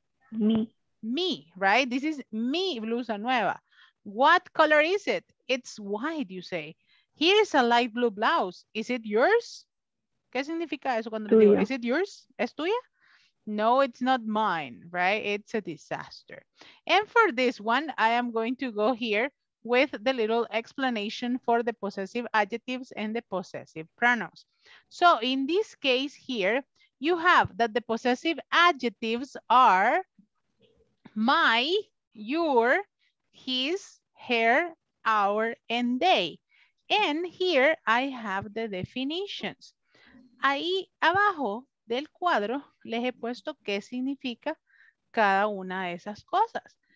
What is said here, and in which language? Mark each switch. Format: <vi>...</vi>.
<en>Me. Me, right? This is</en> <es>mi blusa nueva.</es> <en>What color is it? It's white, you say. Here's a light blue blouse. Is it yours?</en> <es>¿Qué significa eso cuando le digo,</es> <en>is it yours?</en> <es>¿Es tuya?</es> <en>No, it's not mine, right? It's a disaster. And for this one, I am going to go here with the little explanation for the possessive adjectives and the possessive pronouns. So in this case here, you have that the possessive adjectives are my, your, his, her, our, and they. And here I have the definitions.</en> <es>Ahí abajo del cuadro les he puesto qué significa cada una de esas cosas.</es>